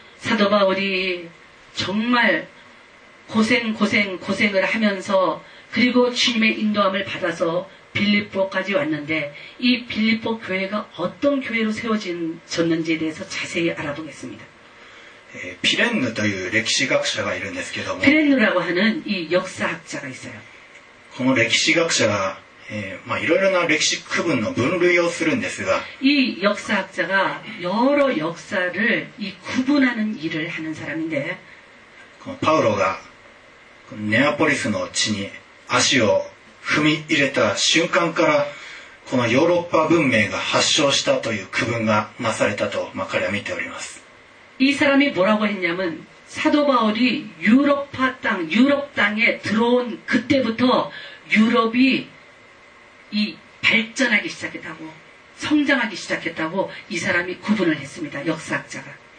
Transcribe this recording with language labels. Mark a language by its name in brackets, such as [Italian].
[Korean] 사도바울이정말고생고생고생을하면서그리고주님의인도함을받아서빌립보까지왔는데이빌립보교회가어떤교회로세워졌는지에대해서자세히알아보겠습니다 [Japanese] 피렌느という歴史学者がいるんですけども [Korean] 피렌느라고하는이역사학자가있어요 [Japanese] この歴史学者がいろいろな歴史区分の分類をするんですが [Korean] 이역사학자가여러역사를이구분하는일을하는사람인데 [Japanese] パウロがネアポリスの地に足を踏み入れた瞬間からこのヨーロッパ文明が発祥したという区分がなされたと、まあ、彼は見ております。 [Korean] 이사람이뭐라고했냐면사도바울이유럽파땅유럽땅에들어온그때부터유럽이이발전하기시작했다고성장하기시작했다고이사람이구분을했습니다역사학자가